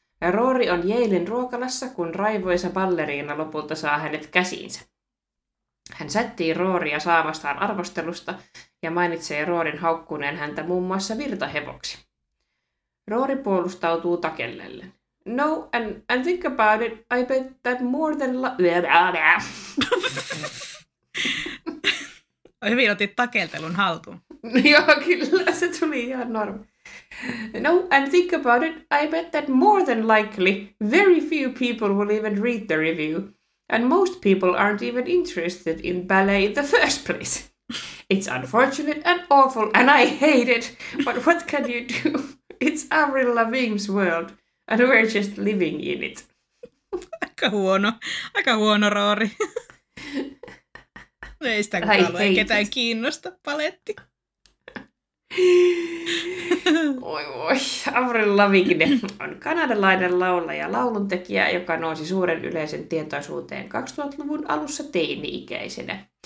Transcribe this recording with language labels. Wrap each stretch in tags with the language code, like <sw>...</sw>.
<fi>Rory on Yalen ruokalassa, kun raivoisa balleriina lopulta saa hänet käsiinsä. Hän sättii Rorya saamastaan arvostelusta ja mainitsee Rorin haukkuneen häntä muun muassa virtahevoksi. Rory puolustautuu takellelle.</fi> <en>No, and think about it, I bet that more than la...</en> <fi>Hyvin otit takeltelun haltuun. Joo, kyllä, se tuli ihan normaali.</fi> <en>No, and think about it, I bet that more than likely, very few people will even read the review. And most people aren't even interested in ballet in the first place. It's unfortunate and awful, and I hate it. But what can you do? It's Avril Lavigne's world, and we're just living in it.</en> <fi>Aika huono Rory. Ei sitä kukaan ole, ketään kiinnosta paletti. Oi voi, Avril Lavigne on kanadalainen laulaja, lauluntekijä, joka nousi suuren yleisen tietoisuuteen 2000-luvun alussa teini-ikäisenä.</fi>